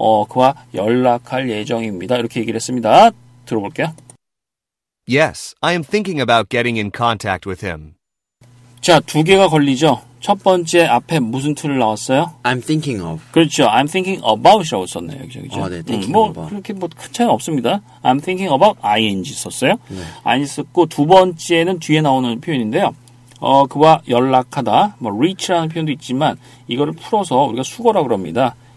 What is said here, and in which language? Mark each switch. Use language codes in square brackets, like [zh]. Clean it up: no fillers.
[ko] 그와 연락할 예정입니다. 이렇게 얘기를 했습니다. 들어볼게요. [en] Yes, I am thinking about getting in contact with him. [ko] 자, 두 개가 걸리죠. 첫 번째 앞에 무슨 툴을 나왔어요? [en] I'm thinking of. [ko] 그렇죠. [en] I'm thinking about [ko] 이라고 썼네요. 그렇죠? 네, thinking 뭐, [en] about. [ko] 그렇게 뭐 큰 차이는 없습니다. [en] I'm thinking about ing [ko] 썼어요. 네. ing 썼고 두 번째는 뒤에 나오는 표현인데요. 그와 연락하다, 뭐 reach라는 표현도 있지만 이거를 풀어서 우리가 수거라고 그럽니다.